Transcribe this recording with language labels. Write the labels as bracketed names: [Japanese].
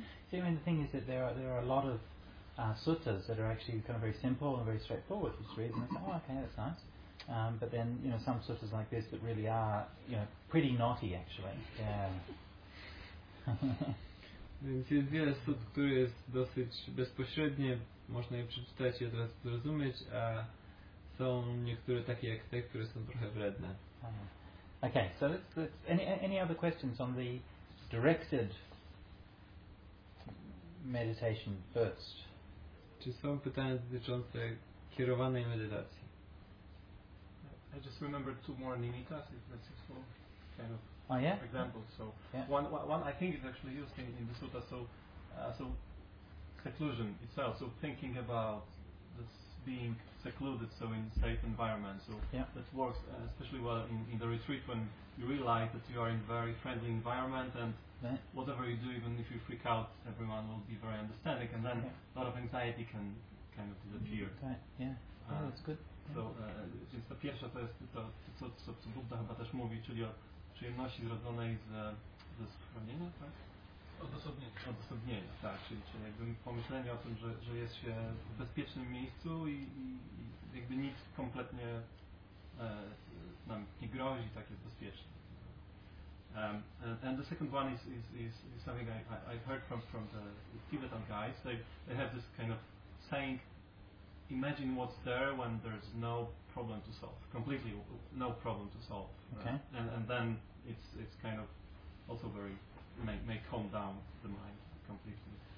[English] See, I mean, the thing is that there are a lot of suttas that are actually kind of very simple and very straightforward. You just read them and say, oh, okay, that's nice. But then, you know, some suttas like this that really are, you know, pretty knotty, actually. [Polish] Więc jest wiele sut, które jest dosyć bezpośrednie, można je przeczytać i od razu zrozumieć, a są niektóre takie jak te, które są trochę wredne. [English] Okay, so let's any other questions on the directed meditation first? [Polish] Czy są pytania dotyczące kierowanej medytacji? [English] I just remembered two more nimitas, if that's useful, kind of examples. So one I think is actually used in the sutta, so seclusion itself, so thinking about this being secluded, so in safe environment, so that works especially well in the retreat when you realize that you are in a very friendly environment and whatever you do, even if you freak out, everyone will be very understanding, and then a lot of anxiety can kind of disappear. Okay. Yeah, that's good. [Polish] Więc ta pierwsza to jest to co Buddha chyba też mówi, czyli o przyjemności zrodzonej ze schronienia, tak? Odosobnienia, tak. Czyli jakby pomyślenie o tym, że jest się w bezpiecznym miejscu i jakby nic kompletnie nam nie grozi, tak jest bezpieczne. [English] And the second one is something I heard from the Tibetan guys. They have this kind of saying, imagine what's there when there's no problem to solve, completely no problem to solve. Okay. And then it's kind of also very, may calm down the mind completely.